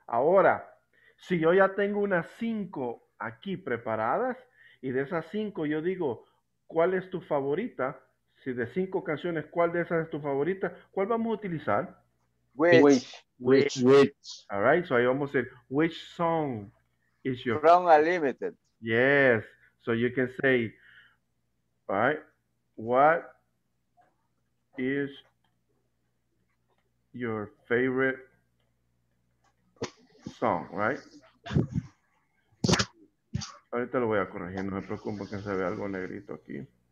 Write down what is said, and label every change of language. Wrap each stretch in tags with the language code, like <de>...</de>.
<es>Ahora, si yo ya tengo unas cinco aquí preparadas, y de esas cinco yo digo, ¿cuál es tu favorita? Si de cinco canciones, ¿cuál de esas es tu favorita? ¿Cuál vamos a utilizar?</es> <en>Which. All right, so I almost said, which song is your from a limited? Yes, so you can say, all right, what is your favorite song, right?</en> <es>Ahorita lo voy a corregir, no me preocupo que se vea algo negrito aquí.</es>